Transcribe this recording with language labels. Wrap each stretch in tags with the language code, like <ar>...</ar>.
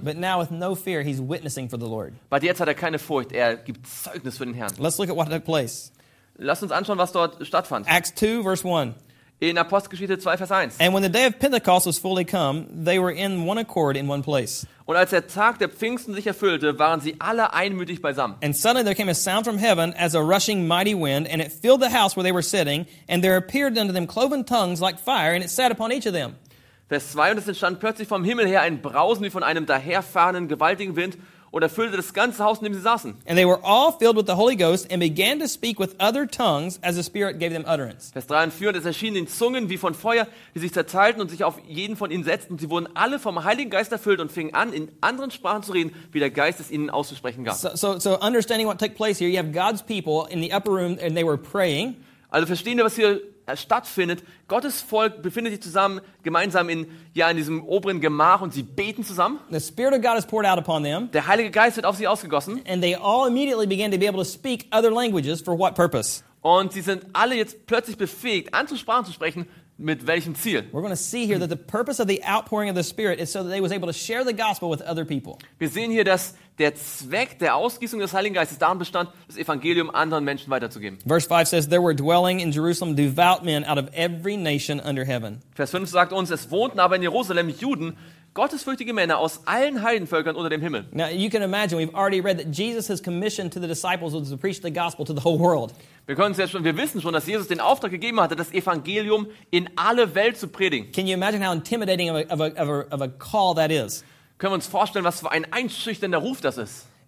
<en>But now with no fear, he's witnessing for the Lord.</en> <de>But jetzt hat er keine Furcht. Er gibt Zeugnis für den Herrn.</de> <en>Let's look at what took place.</en> <de>Lass uns anschauen, was dort stattfand.</de> <en>Acts 2, verse 1.</en> <de>In Apostelgeschichte 2, Vers 1.</de> <en>And when the day of Pentecost was fully come, they were in one accord in one place.</en> <de>Und als der Tag der Pfingsten sich erfüllte, waren sie alle einmütig beisammen.</de> <en>And suddenly there came a sound from heaven as a rushing mighty wind, and it filled the house where they were sitting, and there appeared unto them cloven tongues like fire, and it sat upon each of them.</en> <de>Vers 2, und es entstand plötzlich vom Himmel her ein Brausen wie von einem daherfahrenden gewaltigen Wind, und erfüllte das ganze Haus, in dem sie saßen.</de> <en>And they were all filled with the Holy Ghost and began to speak with other tongues as the Spirit gave them utterance.</en> <de>Vers 3 und 4, es erschienen in Zungen wie von Feuer, die sich zerteilten und sich auf jeden von ihnen setzten. Sie wurden alle vom Heiligen Geist erfüllt und fingen an, in anderen Sprachen zu reden, wie der Geist es ihnen auszusprechen gab.</de> <en>So understanding what took place here, you have God's people in the upper room and they were praying.</en> <de>Also verstehen wir, was hier stattfindet. Gottes Volk befindet sich zusammen, gemeinsam in diesem oberen Gemach und sie beten zusammen.</de> <en>The Spirit of God is poured out upon them.</en> <de>Der Heilige Geist wird auf sie ausgegossen.</de> <en>And they all immediately began to be able to speak other languages for what purpose?</en> <de>Und sie sind alle jetzt plötzlich befähigt, andere Sprachen zu sprechen. Mit welchem Ziel?</de> <en>We're going to see here that the purpose of the outpouring of the Spirit is so that they was able to share the gospel with other people.</en> <de>Wir sehen hier, dass der Zweck der Ausgießung des Heiligen Geistes darin bestand, das Evangelium anderen Menschen weiterzugeben.</de> <en>Verse 5 says, there were dwelling in Jerusalem devout men out of every nation under heaven.</en> <de>Vers 5 sagt uns, es wohnten aber in Jerusalem Juden, gottesfürchtige Männer aus allen Heidenvölkern unter dem Himmel.</de> <en>Now you can imagine, we've already read that Jesus has commissioned to the disciples to preach the gospel to the whole world.</en> <de>Wir können es jetzt schon, wir wissen schon, dass Jesus den Auftrag gegeben hatte, das Evangelium in alle Welt zu predigen.</de> <en>Can you imagine how intimidating of a call that is?</en> <de>Können wir uns vorstellen, was für ein einschüchternder Ruf das ist?</de>